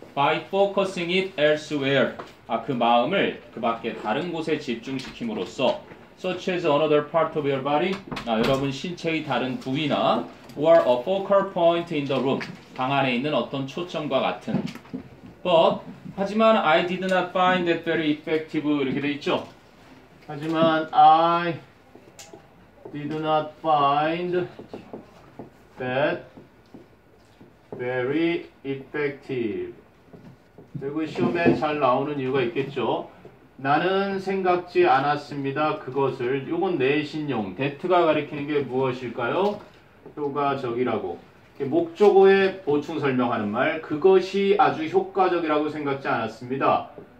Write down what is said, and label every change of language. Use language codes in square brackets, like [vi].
[en] By focusing it elsewhere. [ko] 아, 그 마음을 그 밖에 다른 곳에 집중시킴으로써 [en] such as another part of your body. [ko] 아, 여러분 신체의 다른 부위나 [en] or a focal point in the room. [ko] 방 안에 있는 어떤 초점과 같은. [en] But, 하지만 I did not find that very effective. [ko] 이렇게 돼 있죠. [en] 하지만 I did not find that very effective. [ko] 그리고 시험에 잘 나오는 이유가 있겠죠. 나는 생각지 않았습니다. 그것을. 이건 내신용. that가 가리키는 게 무엇일까요? 효과적이라고. 목적어의 보충 설명하는 말. 그것이 아주 효과적이라고 생각지 않았습니다.